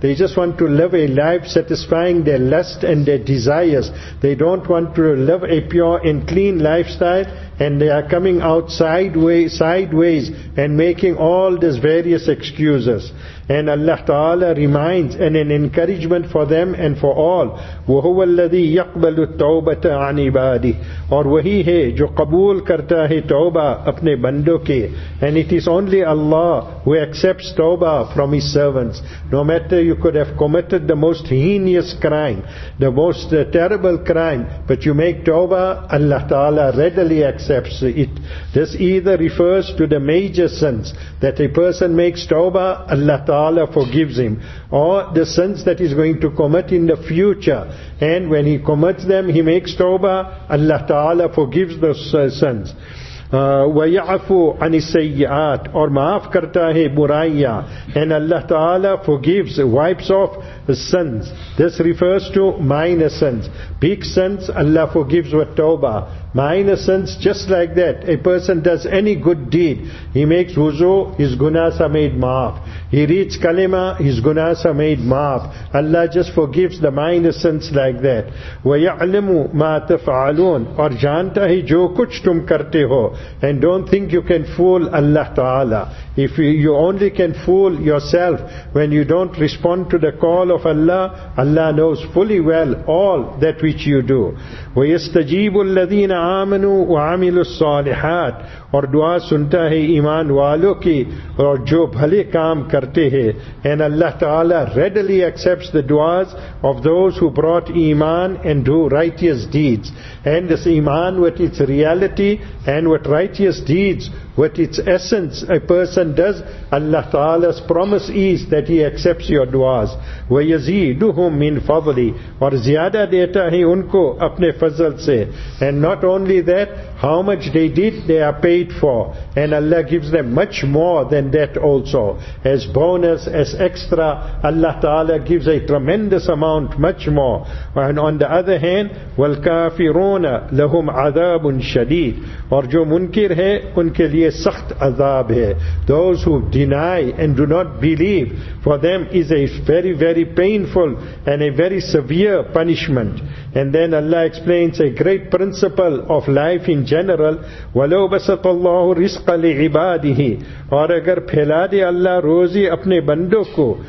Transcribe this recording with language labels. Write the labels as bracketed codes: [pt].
[en] They just want to live a life satisfying their lust and their desires. They don't want to live a pure and clean lifestyle, and they are coming out sideways and making all these various excuses. And Allah Ta'ala reminds and an encouragement for them and for all. [ar] وَهُوَ الَّذِي يَقْبَلُ التَّوْبَةَ عَنْ عِبَادِهِ [ur] اور وہی ہے جو قبول کرتا ہے توبہ اپنے بندوں کے. [en] And it is only Allah who accepts توبہ from His servants. No matter you could have committed the most heinous crime, the most terrible crime, but you make tawbah, Allah Ta'ala readily accepts it. This either refers to the major sins, that a person makes tawbah, Allah Ta'ala forgives him, or the sins that he's going to commit in the future, and when he commits them, he makes tawbah, Allah Ta'ala forgives those sins. [ar] وَيَعْفُ عَنِ السَّيِّعَاتِ [en] or [ur] maaf karta hai buraiya, [en] and Allah Ta'ala forgives, wipes off sins. This refers to minor sins. Big sins, Allah forgives with tawbah. Minor sins, just like that. A person does any good deed, he makes wuzu, his gunas are made maaf. He reads kalima, his gunas are made maaf. Allah just forgives the minor sins like that. [ar] وَيَعْلِمُ مَا تَفْعَلُونَ [ur] اور جانتا ہی جو کچھ تم کرتے ہو. [en] And don't think you can fool Allah Ta'ala. If you only can fool yourself when you don't respond to the call of Allah, Allah knows fully well all that which you do. [ar] وَيَسْتَجِيبُ الَّذِينَ آمَنُوا وَعَمِلُوا الصَّالِحَاتِ [ur] اور دعا سنتا ہے ایمان والوں کی اور جو بھلے کام کرتے ہیں. [en] And Allah Ta'ala readily accepts the duas of those who brought iman and do righteous deeds. And this iman with its reality and with righteous deeds, with its essence, a person does, Allah Ta'ala's promise is that he accepts your duas. [ar] وَيَزِيدُهُمْ مِنْ فَضْلِ [ur] اور زیادہ دیتا ہے ان کو اپنے فضل سے. [en] And not only that, how much they did, they are paid for. And Allah gives them much more than that also. As bonus, as extra, Allah Ta'ala gives a tremendous amount, much more. And on the other hand, [ar] وَالْكَافِرُونَ لَهُمْ عَذَابٌ شَدِيدٌ [ur] اور جو منکر ہے, ان کے لئے سخت عذاب ہے. [en] Those who deny and do not believe, for them is a very, very painful and a very severe punishment. And then Allah explains a great principle of life in general. [ar] وَلَوْ بَسَطَ اللَّهُ رِزْقَ لِعِبَادِهِ [ur] اور اگر پھیلا دے اللہ روزی اپنے بندوں کو.